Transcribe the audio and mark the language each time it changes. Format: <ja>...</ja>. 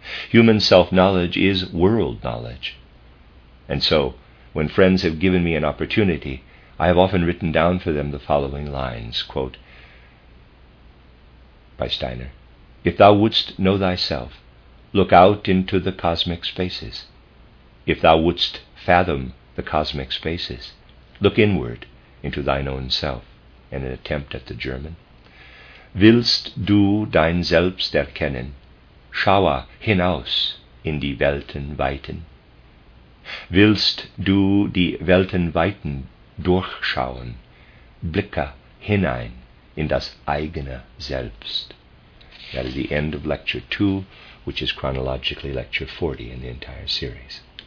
<en>Human self-knowledge is world knowledge. And so, when friends have given me an opportunity, I have often written down for them the following lines, quote, by Steiner, "If thou wouldst know thyself, look out into the cosmic spaces. If thou wouldst fathom the cosmic spaces, look inward into thine own self," in an attempt at the German.</en> <de>"Willst du dein Selbst erkennen, schaue hinaus in die Welten weiten. Willst du die Welten weiten durchschauen, blicke hinein in das eigene Selbst."</de> <en>That is the end of Lecture 2, which is chronologically Lecture 40 in the entire series.</en>